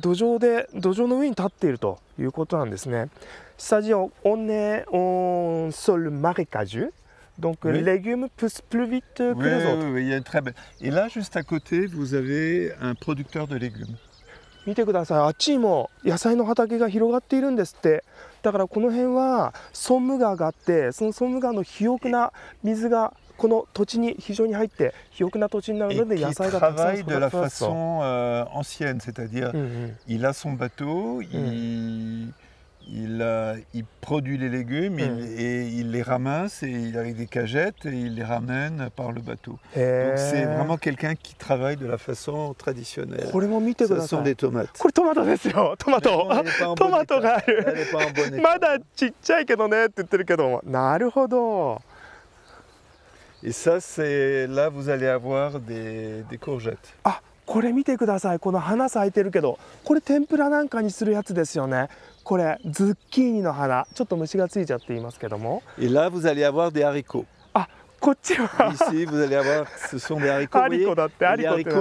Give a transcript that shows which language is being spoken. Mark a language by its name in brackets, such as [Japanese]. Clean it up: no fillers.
[Japanese] へえ、あの、そうなんだ。大聖堂はアーティチョークを育てているような土壌で、土壌の上に立っているということなんですね。 [French] C'est-à-dire, on est en sol marécageux, donc les légumes poussent plus vite que les autres. Oui, il y a une très belle. Et là, juste à côté, vous avez un producteur de légumes. [Japanese] 見てください。あっちも野菜の畑が広がっているんですって。だからこの辺はソンム川があって、そのソンム川の肥沃な水がこの土地に非常に入って肥沃な土地になるので野菜が [French] Et qui travaille de la façon ancienne, c'est-à-dire il a son bateau, il produit les légumes et il les ramasse et il a des cagettes et il les ramène par le bateau. Donc c'est vraiment quelqu'un qui travaille de la façon traditionnelle. [Japanese] これも見てください。 [French] Ce sont des tomates. [Japanese] これトマトですよ。トマト。トマトがある。まだちっちゃいけどねって言ってるけど。なるほど。 [French] Et ça, c'est là vous allez avoir des courgettes. [Japanese] あ、これ見てください。この花咲いてるけど、これ天ぷらなんかにするやつですよね。これズッキーニの花、ちょっと虫がついちゃっていますけども。 [French] Et là, vous allez avoir des haricots. [Japanese] あ、こっちは。 [French] Ici, vous allez avoir, ce sont des haricots. Haricots [Japanese] だって、 [French] haricots